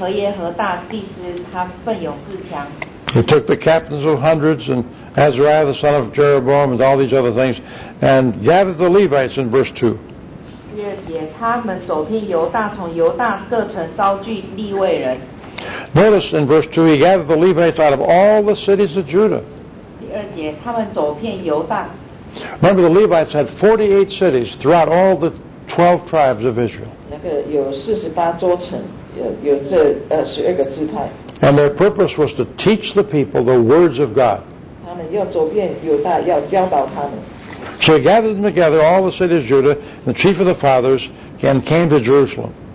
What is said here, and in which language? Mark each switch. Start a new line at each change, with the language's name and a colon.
Chinese: 23章第1节，第七年，何耶和大祭司他奋勇自强。
English: He took the captains of hundreds and Azariah the son of Jeroboam and all these other things and gathered the Levites in verse 2.
Chinese: 第二节,他们走遍犹大,从犹大各城招聚利未人。
English: Notice in verse 2, he gathered the Levites out of all the cities of Judah.
Chinese: 第二节,他们走遍犹大。
English: Remember, the Levites had 48 cities throughout all the 12 tribes of Israel.
Chinese: 那个有48座城,有这12个支派。
English: And their purpose was to teach the people the words of God.
Chinese: 他们要走遍犹大,要教导他们。
English: So he gathered them together, all the cities of Judah, and the chief of the fathers, and came to Jerusalem.